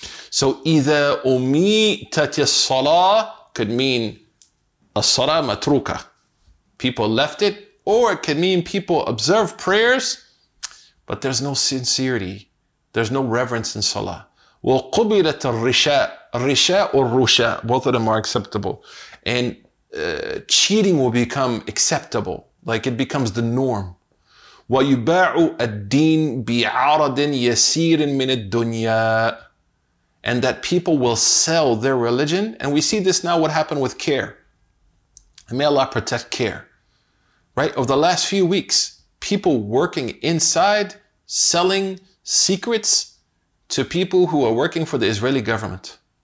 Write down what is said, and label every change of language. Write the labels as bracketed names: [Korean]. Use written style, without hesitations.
[English] So either umitat as-salah could mean a salah matruka, people left it, or it could mean people observe prayers, but there's no sincerity, there's no reverence in salah. [Arabic] وقبلت الرشاء, الرشاء والرشاء, [English] both of them are acceptable. And cheating will become acceptable, like it becomes the norm. [Arabic] ويباع الدين بعرض يسير من الدنيا. [English] And that people will sell their religion. And we see this now, what happened with care. And may Allah protect care. Right? Over the last few weeks, people working inside, selling secrets to people who are working for the Israeli government.